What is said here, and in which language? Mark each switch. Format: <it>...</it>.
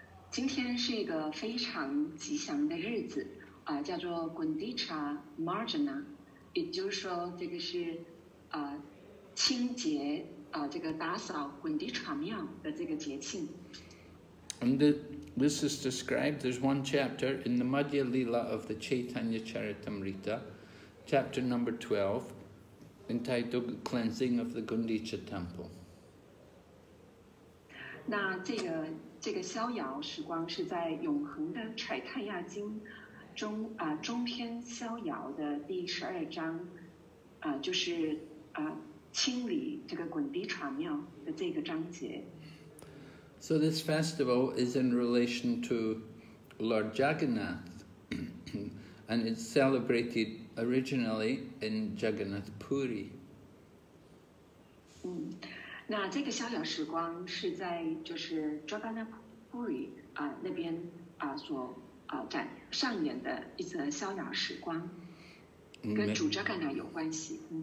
<zh>今天是一个非常吉祥的日子，叫做 Gundicha Marjana， 也就是说这个是清洁这个打扫 Gundicha 庙的这个节庆。</zh> <en>And this is described, there's one chapter in the Madhya Lila of the Chaitanya Charitamrita, chapter number 12, entitled Cleansing of the Gundicha Temple.</en> <zh>那这个逍遥时光是在永恒的柴泰亚经中中篇逍遥的第十二章就是清理这个滚地茶庙的这个章节。</zh> <en>So this festival is in relation to Lord Jagannath, and it's celebrated originally in Jagannath Puri.</en> <zh>那这个逍遥时光是在就是 Jagannath Puri 那边所上演的一次逍遥时光，跟主 Jagannath 有关系。</zh>